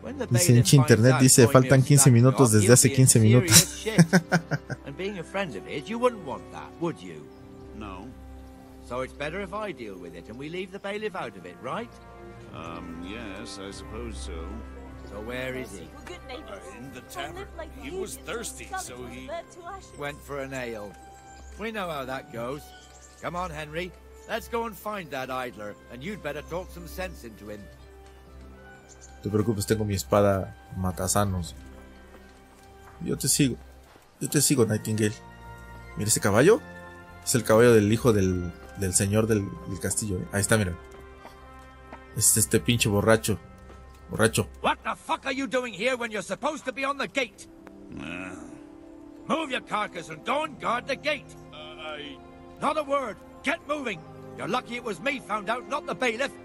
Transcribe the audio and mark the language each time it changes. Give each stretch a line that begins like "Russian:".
Spanish: Dice, en internet dice, faltan 15 minutos desde hace 15 minutos.
English: And being a friend of his, you wouldn't want that, would you? No. So it's better if I deal with it and we leave the bailiff out of it, right? Yes, I suppose so. So where is he? We're good neighbors. In the tavern. He was thirsty, so he went for an ale. We know how that goes. Come on, Henry. Let's go and find that idler, and you'd better talk some sense into him.
Spanish: No te preocupes, tengo mi espada matasanos. Yo te sigo. Yo te sigo, Nightingale. Mira ese caballo. Es el caballo del hijo del señor del castillo. Ahí está, mira. Es este pinche borracho. Borracho.
English: What the fuck are you doing here when you're supposed to be on the gate? Move your carcass and go and guard the gate. Not a word. Get moving. You're lucky it was me found out, not the bailiff.